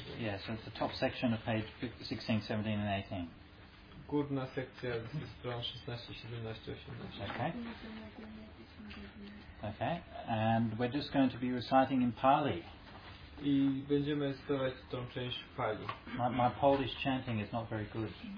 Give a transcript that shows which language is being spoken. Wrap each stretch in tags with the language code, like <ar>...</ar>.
<en>Yeah, so it's the top section of page 16, 17 and 18.</en> <pl>Górna sekcja z stron 16, 17, 18.</pl> <en>Okay. Okay, and we're just going to be reciting in Pali.</en> <pl>I będziemy recytować tą część w Pali.</pl> <en>My Polish chanting is not very good.</en>